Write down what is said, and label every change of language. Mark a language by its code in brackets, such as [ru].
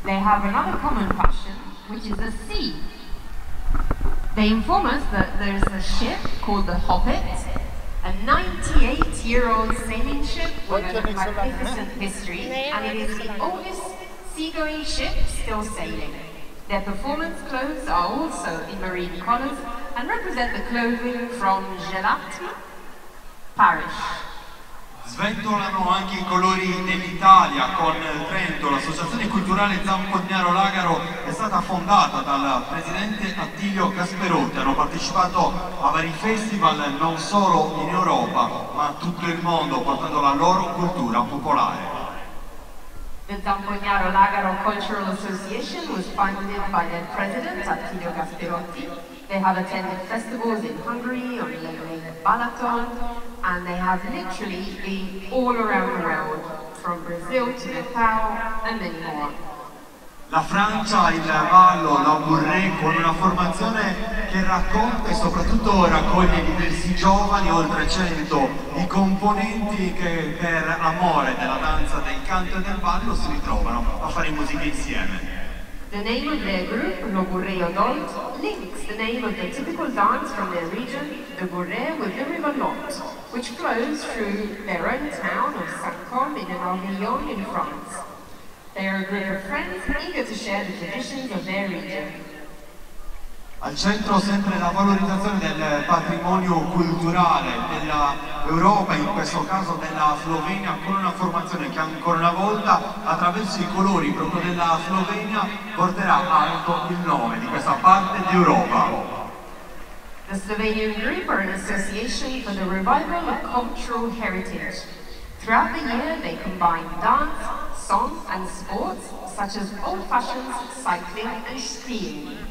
[en] They have another common passion, which is the sea. They inform us that there's a ship called the Hoppet, a 98-year-old sailing ship with a magnificent history, and it is the oldest seagoing ship still sailing. Their performance clothes are also in marine colours and represent the clothing from Gelati Parish. [it] sventolano anche i colori dell'Italia con Trento. L'associazione culturale Zampo Gnaro Lagaro è stata fondata dal presidente Attilio Gasperotti. Hanno partecipato a vari festival non solo in Europa ma in tutto il mondo, portando la loro cultura popolare. [en] The Zampo Gnaro Lagaro Cultural Association was founded by their president Attilio Gasperotti. They have attended festivals in Hungary, on the Balaton, and they have literally been all around the world, from Brazil to Nepal and many more. [it] La Francia, il ballo, la burreco, una formazione che racconta e soprattutto raccoglie diversi giovani, oltre 100, i componenti che per amore della danza, del canto e del ballo si ritrovano a fare musica insieme. [en] The name of their group, Lo Burre Odont, links the name of the typical dance from their region, the Burre, with the river Lot, which flows through their own town of Saint-Côme in Avignon in France. They are a group of friends eager to share the traditions of their region. [it] Al centro sempre la valorizzazione del patrimonio culturale dell'Europa, in questo caso della Slovenia, con una formazione che ancora una volta attraverso i colori proprio della Slovenia porterà alto il nome di questa parte d'Europa. [en] The Slovenian Group are an association for the revival of cultural heritage. Throughout the year they combine dance, song and sports such as old fashions, cycling and skiing.